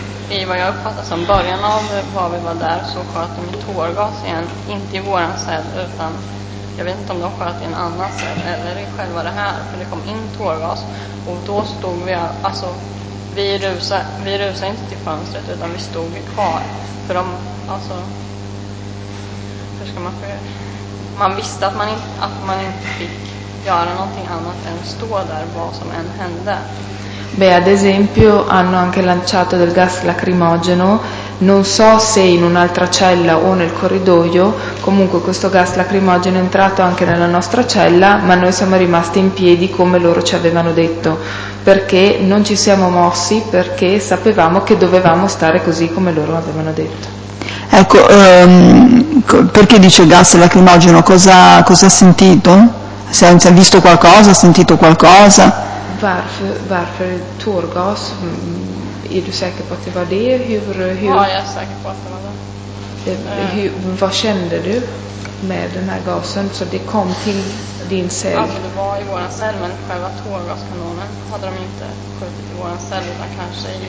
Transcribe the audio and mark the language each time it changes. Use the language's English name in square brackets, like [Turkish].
[Swedish] I vad jag uppfattar som början av vad vi var där, så sköt de i tårgas igen, inte i våran cell, utan jag vet inte om de sköt i en annan cell eller i själva det här, för det kom in tårgas, och då stod vi, alltså vi rusade inte till fönstret, utan vi stod kvar, för de, alltså hur ska man för, man visste att man inte fick göra någonting annat än stå där vad som än hände. [Italian] Beh, ad esempio hanno anche lanciato del gas lacrimogeno, non so se in un'altra cella o nel corridoio, comunque questo gas lacrimogeno è entrato anche nella nostra cella, ma noi siamo rimasti in piedi come loro ci avevano detto, perché non ci siamo mossi, perché sapevamo che dovevamo stare così come loro avevano detto. Ecco, perché dice gas lacrimogeno? Cosa ha sentito? Se ha visto qualcosa, ha sentito qualcosa? [Swedish] Varför tårgas? Är du säker på att det var det? Ja, jag är säker på att det var det. Vad kände du? med den här gasen, så det kom till din cell. Alltså det var i våran cell, men själva tårgaskanonen hade de inte skjutit i våran cell, utan kanske i